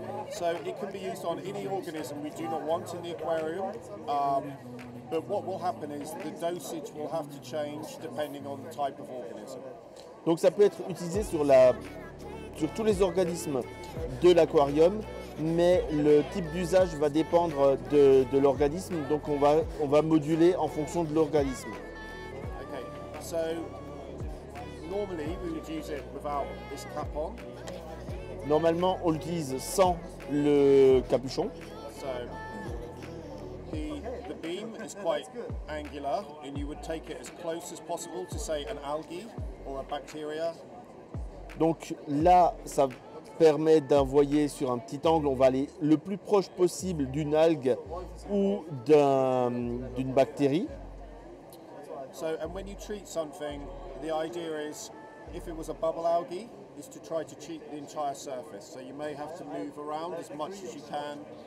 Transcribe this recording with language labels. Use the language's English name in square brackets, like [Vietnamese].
[English] So it can be used on any organism we do not want in the aquarium. But what will happen is the dosage will have to change depending on the type of organism. [French] Donc ça peut être utilisé sur tous les organismes de l'aquarium, mais le type d'usage va dépendre de l'organisme, donc on va moduler en fonction de l'organisme. [English] Okay, so normally we would use it without this cap on. [French] Normalement on l'utilise sans le capuchon. [English] So the beam is quite angular and you would take it as close as possible to say an algae or a bacteria. [French] Donc là, ça permet d'envoyer sur un petit angle, on va aller le plus proche possible d'une algue ou d'une bactérie. [English] So, and when you treat something, the idea is, if it was a bubble algae, is to try to treat the entire surface. So you may have to move around as much as you can.